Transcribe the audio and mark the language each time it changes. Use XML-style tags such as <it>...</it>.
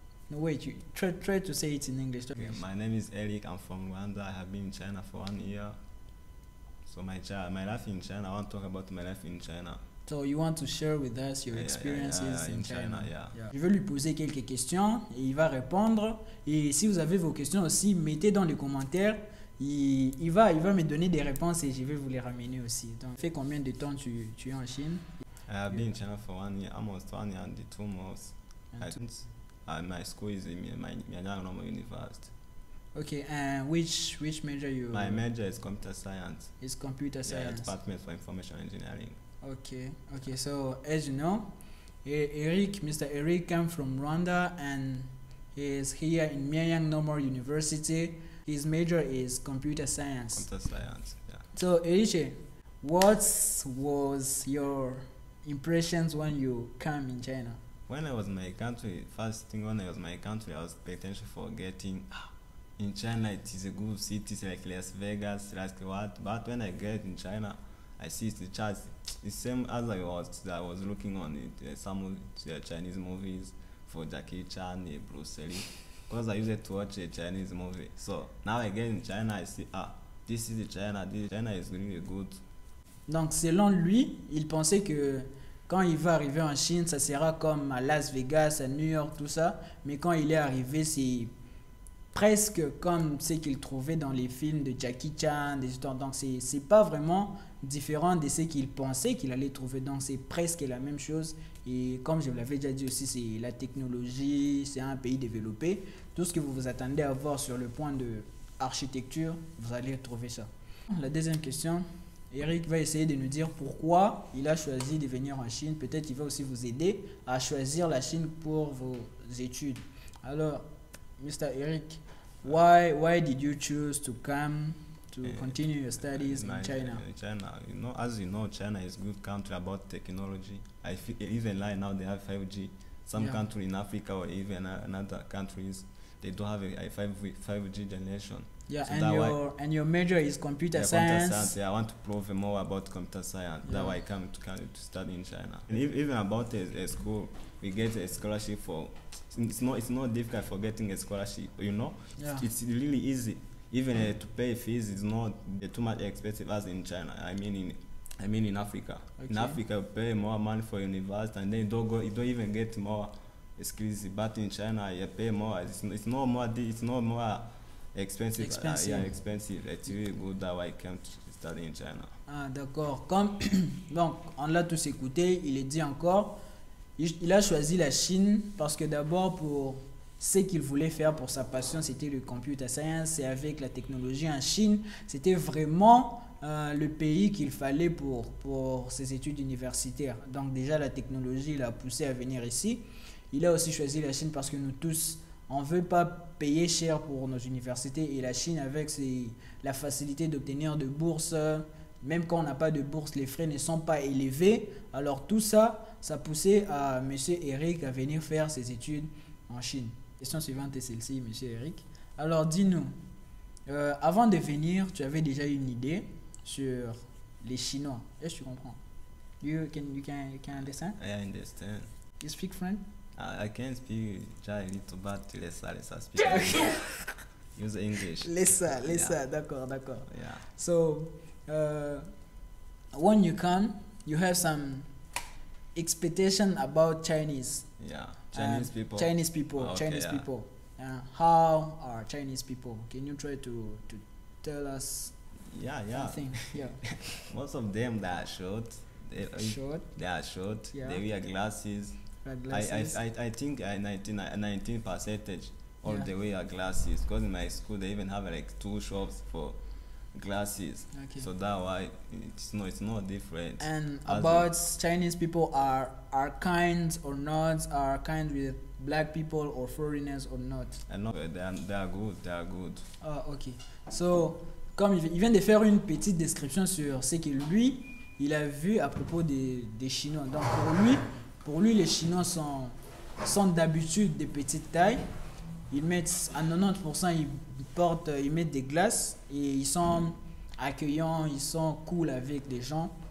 <en>No, wait, you try to say it in English. Okay, my name is Eric. I'm from Rwanda. I have been in China for 1 year. So my life in China, I want to talk about my life in China. So you want to share with us your experiences in China.</en> <fr>Je veux lui poser quelques questions et il va répondre. Et si vous avez vos questions aussi, mettez dans les commentaires. Il va me donner des réponses et je vais vous les ramener aussi. Donc, fait combien de temps tu es en Chine?</fr> <en>I have been in China for 1 year, almost 1 year and 2 months. My school is in my Mianyang Normal University. Okay, and which major you? My major is computer science. It's computer science. Yeah, department for information engineering. Okay. So as you know, Mr. Eric came from Rwanda and he is here in Mianyang Normal University. His major is computer science. Computer science, yeah. So Eric, what was your impressions when you came in China? When I was in my country, first thing when I was in my country, I was potential for getting in China, it is a good city like Las Vegas, like what. But when I get in China, I see the charts the same as I was looking on it, some of the Chinese movies for Jackie Chan, Bruce Lee, because I used to watch a Chinese movie. So now I get in China, I see this China is really good.</en> <fr>Donc selon lui, il pensait que quand il va arriver en Chine, ça sera comme à Las Vegas, à New York, tout ça. Mais quand il est arrivé, c'est presque comme ce qu'il trouvait dans les films de Jackie Chan, des histoires. Donc c'est pas vraiment différent de ce qu'il pensait qu'il allait trouver. Donc c'est presque la même chose. Et comme je vous l'avais déjà dit aussi, c'est la technologie, c'est un pays développé. Tout ce que vous vous attendez à voir sur le point de architecture, vous allez trouver ça. La deuxième question. Eric va essayer de nous dire pourquoi il a choisi de venir en Chine. Peut-être qu'il va aussi vous aider à choisir la Chine pour vos études. Alors, Mr.</fr> <en>Eric, why did you choose to come to continue your studies in China? China, you know, as you know, China is a good country about technology. I feel even like now they have 5G. Some countries in Africa or even in other countries, they don't have a 5G generation. Yeah, so and your major is computer science. Yeah, I want to prove more about computer science. Yeah. That's why I came to study in China. And even about a school, we get a scholarship for. It's not difficult for getting a scholarship. You know, yeah. It's really easy. Even to pay fees is not too much expensive as in China. I mean in Africa. Okay. In Africa, you pay more money for university, and then you don't even get more excuses. But in China, you pay more. It's not more. Expensive. It's really good that I came to study in China.</en> <fr>Ah, d'accord. Comme donc, on l'a tous écouté, il est dit encore, il a choisi la Chine parce que d'abord, pour ce qu'il voulait faire pour sa passion, c'était le computer science et avec la technologie en Chine, c'était vraiment le pays qu'il fallait pour ses études universitaires. Donc déjà, la technologie l'a poussé à venir ici. Il a aussi choisi la Chine parce que nous tous, on ne veut pas payer cher pour nos universités et la Chine avec la facilité d'obtenir de bourses, même quand on n'a pas de bourse, les frais ne sont pas élevés. Alors tout ça, ça poussait à M. Eric à venir faire ses études en Chine. Question suivante est celle-ci, M. Eric. Alors dis-nous, avant de venir, tu avais déjà une idée sur les Chinois. Est-ce que tu comprends?</fr> <en>You can understand? I understand. You speak French? I can speak just a little, but lesser speak. Use English. Lesser, yeah.</en> <fr>D'accord.</fr> <en>Yeah. So, when you come, you have some expectation about Chinese. Yeah, Chinese people. Chinese people, okay, Chinese yeah. people. How are Chinese people? Can you try to tell us something? Yeah. Most of them, they are short. They are short. Yeah. They wear glasses. Glasses. I think 19% all the way are glasses. Because in my school they even have like two shops for glasses. Okay. So that why it's not different. And about Chinese people are kind or not, are kind with black people or foreigners or not? And no, they are good. They are good. Ah, okay.</en> <fr>So comme il vient de faire une petite description sur ce que lui il a vu à propos des Chinois. Donc pour lui les Chinois sont d'habitude de petite taille. Ils mettent à 90% ils mettent des glaces et ils sont accueillants, ils sont cool avec les gens.</fr>